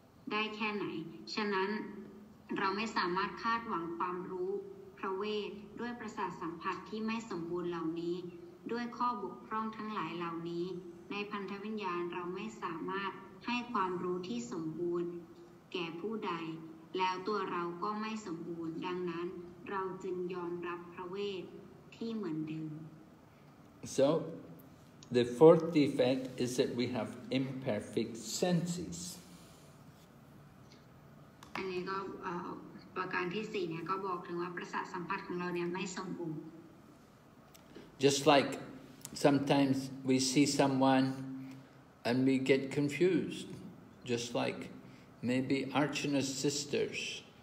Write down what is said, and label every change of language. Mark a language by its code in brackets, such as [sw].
[th] ได้แค่ไหนฉะนั้นเราไม่สามารถคาดหวังความรู้พระเวทด้วยประสาทสัมผัสที่ไม่สมบูรณ์เหล่านี้ด้วยข้อบกพร่องทั้งหลายเหล่านี้ในพันธวิญญาณเราไม่สามารถให้ความรู้ที่สมบูรณ์แก่ผู้ใดแล้วตัวเราก็ไม่สมบูรณ์ดังนั้นเราจึงยอมรับพระเวทที่เหมือนเดิม [en] So the fourth defect is that we have imperfect senses [th] อันนี้ก็ประการที่4เนี่ยก็บอกถึงว่าประสาทสัมผัสของเราเนี่ยไม่สมบูรณ์ [en] Just like sometimes we see someone and we get confused. Just like maybe Archana's sisters.